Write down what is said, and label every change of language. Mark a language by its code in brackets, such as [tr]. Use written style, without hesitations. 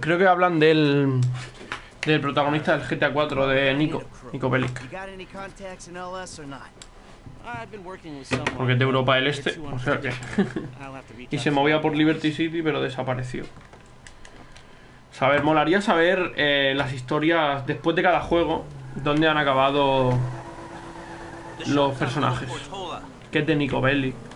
[es] Creo que hablan del protagonista del GTA 4, de Nico. Nico Bellic. [en] You got any contacts in LS or not? I've been working with someone. [es] Porque es de Europa del Este. O sea que... y se movía por Liberty City, pero desapareció. Saber, molaría saber las historias después de cada juego, dónde han acabado los personajes. ¿Qué es de Nico Bellic?